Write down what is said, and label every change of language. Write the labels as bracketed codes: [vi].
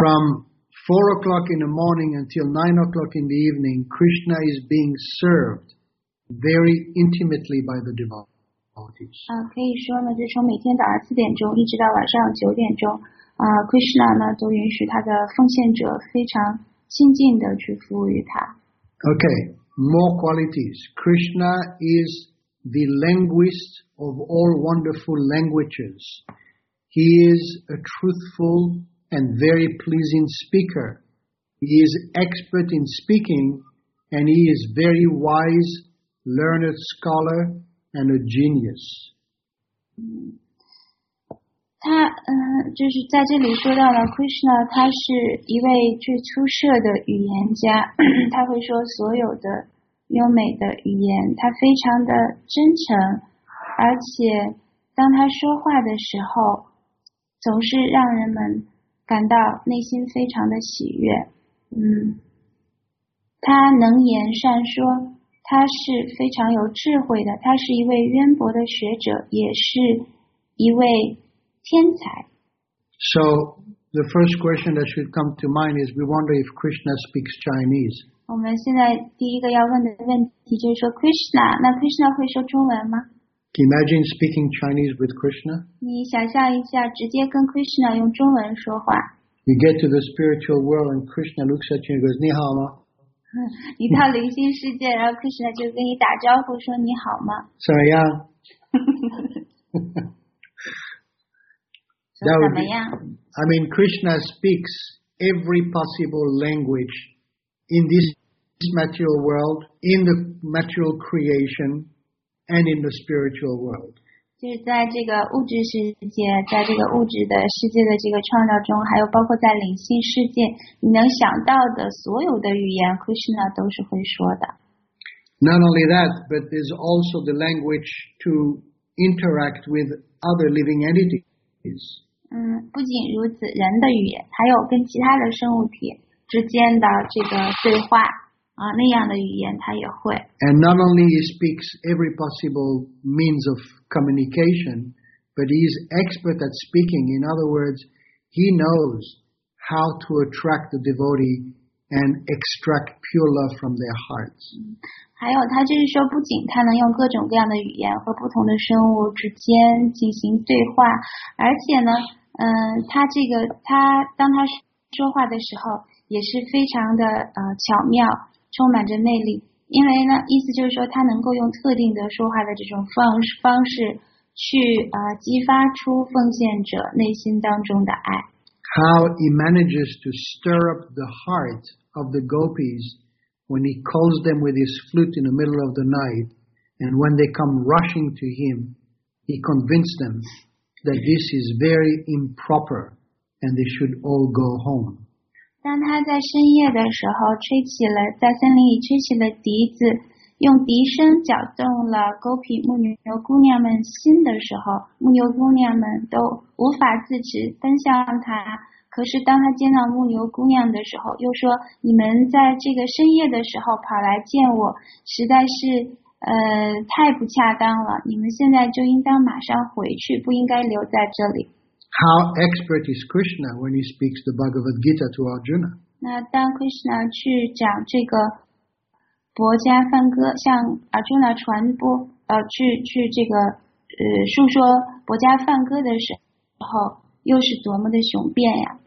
[en] From 4 o'clock in the morning until 9 o'clock in the evening, Krishna is being served very intimately by the devotees. [zh] 可以说呢，就从每天早上四点钟一直到晚上九点钟，Krishna 呢都允许他的奉献者非常亲近的去服务于他。 [en] Okay, more qualities. Krishna is the linguist of all wonderful languages. He is a truthful and very pleasing speaker. He is expert in speaking, and he is very wise. Learned scholar and a genius. [zh] 他就是在这里说到了 Krishna， 他是一位最出色的语言家，他会说所有的优美的语言，他非常的真诚，而且当他说话的时候，总是让人们感到内心非常的喜悦。嗯，他能言善说。他是非常有智慧的，他是一位渊博的学者，也是一位天才。 [en] So the first question that should come to mind is, we wonder if Krishna speaks Chinese. [zh] 我们现在第一个要问的问题就是说 ，Krishna， 那 Krishna 会说中文吗 [en] ？Imagine speaking Chinese with Krishna. [zh] 你想象一下，直接跟 Krishna 用中文说话。 [en] You get to the spiritual world and Krishna looks at you and goes, [zh] 你好吗？你到灵性世界，然后 Krishna 就跟你打招呼说你好吗？怎么样？怎么样 [en] ？I mean, Krishna speaks every possible language in this material world, in the material creation, and in the spiritual world. [zh] 就是在这个物质世界，在这个物质的世界的这个创造中，还有包括在灵性世界，你能想到的所有的语言 ，Krishna 都是会说的。 Not only that, but there's also the language to interact with other living entities. 不仅如此，人的语言，还有跟其他的生物体之间的这个对话。那样的语言他也会。 [en] And not only he speaks every possible means of communication, but he is expert at speaking. In other words, he knows how to attract the devotee and extract pure love from their hearts. [zh] 还有他就是说不仅他能用各种各样的语言和不同的生物之间进行对话，而且呢，他这个，他当他说话的时候也是非常的巧妙。充满着魅力，因为呢，意思就是说，他能够用特定的说话的这种方式去激发出奉献者内心当中的爱。 [en] How he manages to stir up the heart of the gopis when he calls them with his flute in the middle of the night, and when they come rushing to him, he convinces them that this is very improper, and they should all go home. [zh] 当他在深夜的时候吹起了在森林里吹起了笛子，用笛声搅动了勾皮牧牛姑娘们心的时候，牧牛姑娘们都无法自持奔向他。可是当他见到牧牛姑娘的时候，又说：“你们在这个深夜的时候跑来见我，实在是太不恰当了。你们现在就应当马上回去，不应该留在这里。” [en] How expert is Krishna when he speaks the Bhagavad Gita to Arjuna? [zh] 那当 Krishna 去讲这个薄伽梵歌，向 Arjuna 传播，去这个述说薄伽梵歌的时候，又是多么的雄辩呀！